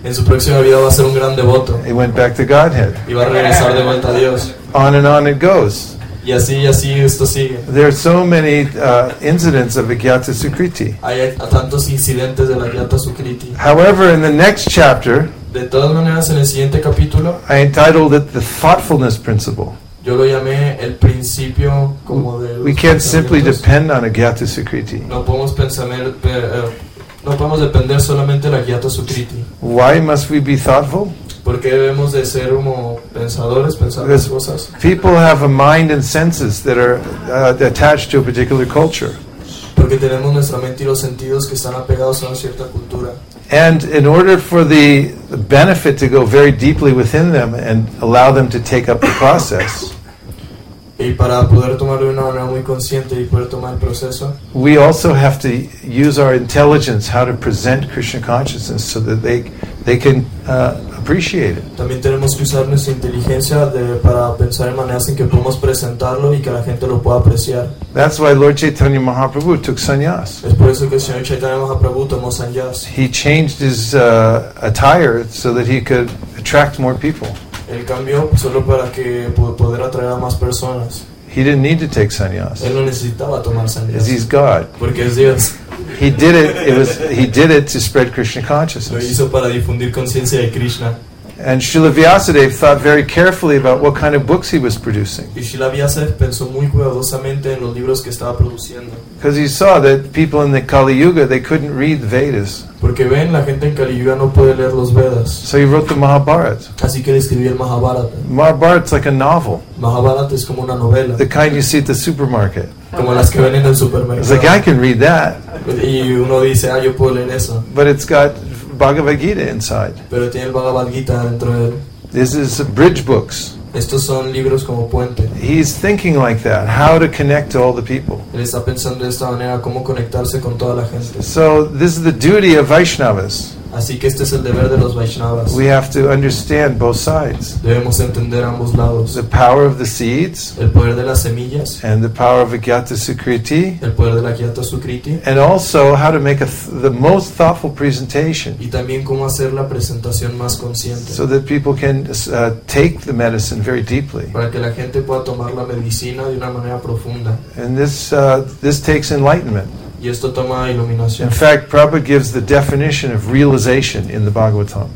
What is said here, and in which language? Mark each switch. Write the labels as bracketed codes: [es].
[es] En su próxima vida va a ser un gran devoto. [en] He went back to Godhead. [es] Y va a regresar de vuelta a Dios. [en] On and on it goes. [es] Y así esto sigue. [en] There are so many incidents of Agyata Sukriti. [es] Hay tantos incidentes de la Agyata Sukriti. [en] However, in the next chapter, [es] de todas maneras, en el siguiente capítulo, [en] I entitled it the thoughtfulness principle. [es] Yo lo llamé el principio como de los [en] We can't simply depend on Agyata Sukriti. [es] No podemos depender solamente de la Agyata Sukriti. [en] Why must we be thoughtful? [es] ¿Por qué debemos de ser como pensadores, pensar las cosas? [en] People have a mind and senses that are attached to a particular culture. [es] Porque tenemos nuestra mente y los sentidos que están apegados a una cierta cultura. [en] And in order for the benefit to go very deeply within them and allow them to take up the process, [es] y para poder tomarlo de una manera muy consciente y poder tomar el proceso, [en] we also have to use our intelligence how to present Krishna consciousness so that they can appreciate it. [es] También tenemos que usar nuestra inteligencia para pensar en maneras en que podemos presentarlo y que la gente lo pueda apreciar. [en] That's why Lord Chaitanya Mahaprabhu took sannyas. [es] Es por eso que el Señor Chaitanya Mahaprabhu tomó sannyas. [en] He changed his attire so that he could attract more people. [es] Él cambió solo para que poder atraer a más personas. [en] He didn't need to take sannyas. [es] Él no necesitaba tomar sannyas. [en] He's God. [es] Porque es Dios. [en] He did it to spread Krishna consciousness. [es] Lo hizo para difundir conciencia de Krishna. [en] And Srila Vyasadeva thought very carefully about what kind of books he was producing. [es] Y Srila Vyasadeva pensó muy cuidadosamente en los libros que estaba produciendo. [en] Because he saw that people in the Kali Yuga, they couldn't read the Vedas. [es] Porque ven, la gente en Kali Yuga no puede leer los Vedas. [en] So he wrote the Mahabharata. [es] Así que él escribió el Mahabharata. [en] Mahabharata's like a novel. [es] Mahabharata es como una novela. [en] The kind you see at the supermarket. [es] Como las que ven en el supermercado. [en] It's like, I can read that. [es] Y uno dice, yo puedo leer eso. [en] But it's got Bhagavad Gita inside. [es] Pero tiene el Bhagavad Gita dentro de él. [en] This is bridge books. [es] Estos son libros como puente. [en] He's thinking like that, how to connect to all the people. [es] Él está pensando de esta manera, cómo conectarse con toda la gente. [en] So this is the duty of Vaishnavas. [es] Así que este es el deber de los Vaishnavas. [en] We have to understand both sides. [es] Debemos entender ambos lados. [en] The power of the seeds. [es] El poder de las semillas. [en] And the power of Agyata Sukriti. [es] El poder de la Agyata Sukriti. [en] And also how to make the most thoughtful presentation. [es] Y también cómo hacer la presentación más consciente. [en] So that people can take the medicine very deeply. [es] Para que la gente pueda tomar la medicina de una manera profunda. [en] And this takes enlightenment. [es] Y esto toma iluminación. [en] In fact, Prabhupada gives the definition of realization in the Bhagavatam.